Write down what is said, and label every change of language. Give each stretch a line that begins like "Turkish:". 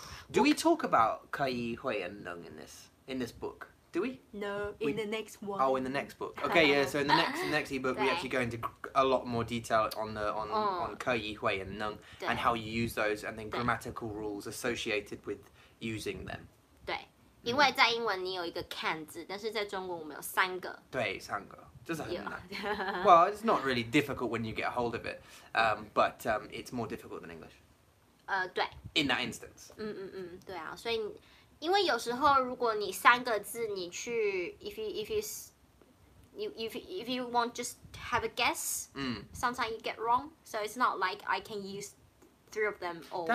English: Do we talk about 可以, 会, and 能 in this book? Do we? No, in the next one. Oh, in the next book. Okay, yeah, so in the next ebook, we actually go into a lot more detail on 可以, 会, and 能, and how you use those, and then grammatical rules associated with using them.
Chinese: 因为在英文你有一个 can字， 但是在中国我们有三个。对，三个， 这是很难。
English: Well, it's not really difficult when you get a hold of it, but it's more difficult than English.
Chinese: 对。
English: In that instance.
Chinese: 对啊， 所以因为有时候如果你三个字你去，
English: if you want just have a guess, sometimes you get wrong, so it's not like I can use three of them all.